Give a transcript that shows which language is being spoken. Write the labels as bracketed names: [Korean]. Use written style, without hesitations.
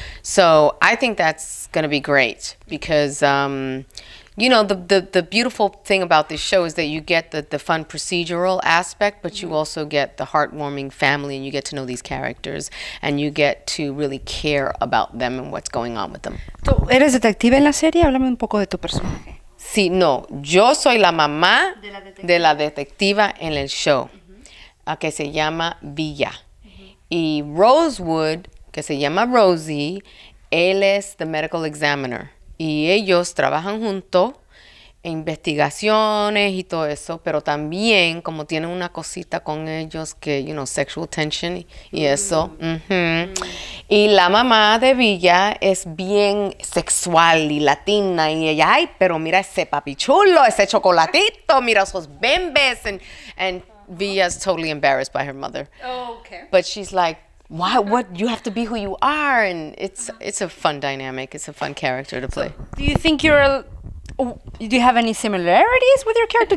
[English] So I think that's going to be great because, you know, the beautiful thing about this show is that you get the fun procedural aspect, but you also get the heartwarming family and you get to know these characters and you get to really care about them and what's going on with them. [Spanish] ¿Tú eres detective en la serie? Háblame un poco de tu personaje. Sí, no, yo soy la mamá de la detectiva en el show, uh-huh. Que se llama Villa. Uh-huh. Y Rosewood, que se llama Rosie, él es [English] the medical examiner. [Spanish] Y ellos trabajan junto en investigaciones y todo eso, pero también como tienen una cosita con ellos que, [English] you know, sexual tension [Spanish] y eso. Uh-huh. Y la mamá de Villa es bien sexual y latina y ella, ay, pero mira ese papi chulo, ese chocolatito, mira esos bembes. [English] And Villa's totally embarrassed by her mother. Oh, okay. But she's like, why, what, you have to be who you are. And it's, uh-huh. It's a fun dynamic. It's a fun character to play. So, do you think you're, do you have any similarities with your character?